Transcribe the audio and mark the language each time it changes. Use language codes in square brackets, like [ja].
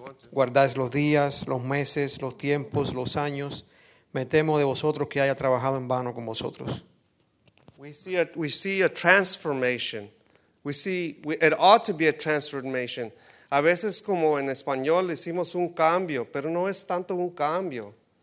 [es] Guardáis los días, los meses, los tiempos, los años. Me temo de vosotros que haya trabajado en vano con vosotros. [en] We see a transformation. It ought to be a transformation. [es] A veces como en español decimos un cambio, pero no es tanto un cambio.